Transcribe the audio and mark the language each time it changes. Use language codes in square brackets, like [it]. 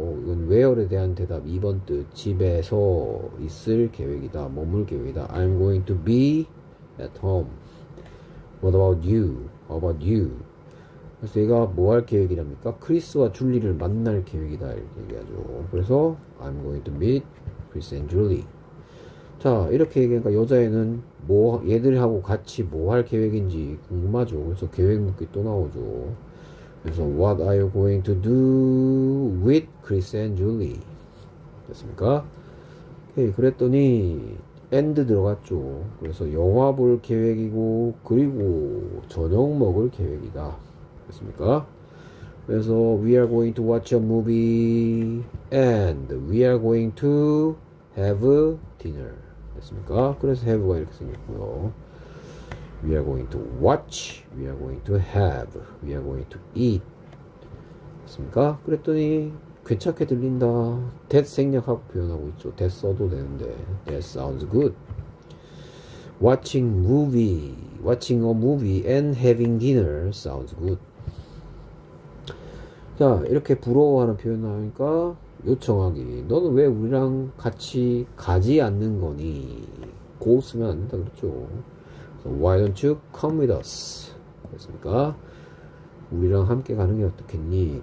[ko] 이건 where에 대한 대답 2번 뜻. 집에서 있을 계획이다. 머물 계획이다. [en] I'm going to be at home. What about you? How about you? [ko] 그래서 얘가 뭐할 계획이랍니까? 크리스와 줄리를 만날 계획이다. 이렇게 얘기하죠. 그래서 [en] I'm going to meet Chris and Julie. [ko] 자, 이렇게 얘기하니까 여자애는 뭐, 얘들하고 같이 뭐할 계획인지 궁금하죠. 그래서 계획 묻기 또 나오죠. 그래서 [en] What are you going to do with Chris and Julie? [ko] 됐습니까? 오케이, 그랬더니 and 들어갔죠. 그래서 영화 볼 계획이고 그리고 저녁 먹을 계획이다. 됐습니까? 그래서 [en] We are going to watch a movie and we are going to have dinner. [ko] 됐습니까? 그래서 [en] have가 [ko] 이렇게 생겼고요. [en] We are going to watch. We are going to have. We are going to eat. [ko] 맞습니까? 그랬더니 괜찮게 들린다. That 생략하고 표현하고 있죠. That 써도 되는데. [en] That sounds good. Watching movie. Watching a movie and having dinner sounds good. [ko] 자, 이렇게 부러워하는 표현 나오니까 요청하기. 너는 왜 우리랑 같이 가지 않는 거니? 고 쓰면 안 된다 그랬죠. [en] Why don't you come with us? [ko] 그랬습니까? 우리랑 함께 가는 게 어떻겠니?